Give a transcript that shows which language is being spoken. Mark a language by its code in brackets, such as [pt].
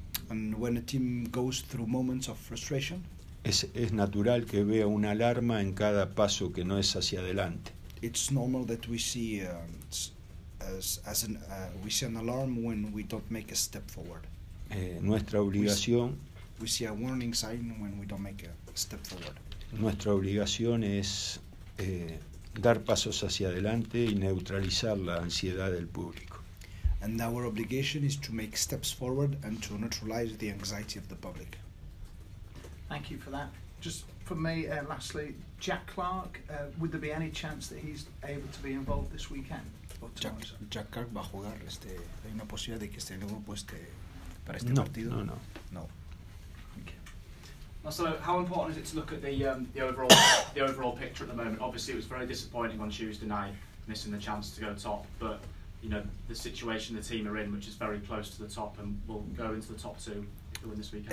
[en] And when a team goes through moments of frustration, [es] es natural que vea una alarma en cada paso que no es hacia adelante. [en] It's normal that we see an alarm when we don't make a step forward. [es] Nuestra obligación. [en] We see a warning sign when we don't make a step forward. [es] Nuestra obligación es dar pasos hacia adelante y neutralizar la ansiedad del público. [en] And our obligation is to make steps forward and to neutralize the anxiety of the public. Thank you for that. Just for me, lastly, Jack Clark, would there be any chance that he's able to be involved this weekend? [es] Jack Clark va a jugar. Hay una posibilidad de que esté en el grupo para este no, partido. No. [en] Okay. Marcelo, how important is it to look at the overall picture at the moment? Obviously, it was very disappointing on Tuesday night, missing the chance to go top. But you know the situation the team are in, which is very close to the top, and will go into the top two if they win this weekend.